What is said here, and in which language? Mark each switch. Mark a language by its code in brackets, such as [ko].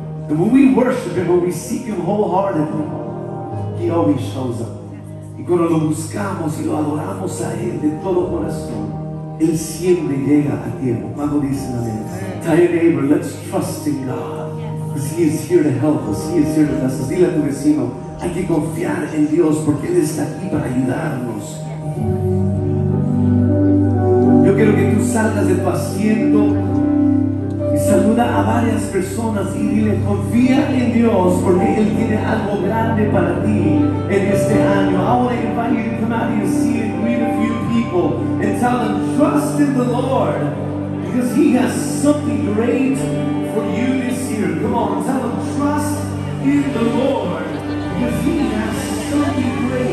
[en] And when we worship Him, when we seek Him wholeheartedly, He always shows up. [es] Y cuando lo buscamos y lo adoramos a Él de todo corazón, Él siempre llega a tiempo. Cuando dicen amén. [en] Tell your neighbor, let's trust in God. Because He is here to help us. He is here to bless us. [es] Dile a tu vecino, hay que confiar en Dios porque Él está aquí para ayudarnos. Yo quiero que tú salgas de tu asiento y saluda a varias personas y dile, confía en Dios porque Él tiene algo grande para ti en este año. [en] I want to invite you to come out and see and greet a few people and tell them, trust in the Lord because He has something great for you this year. Come on, tell them, trust in the Lord because He has something great.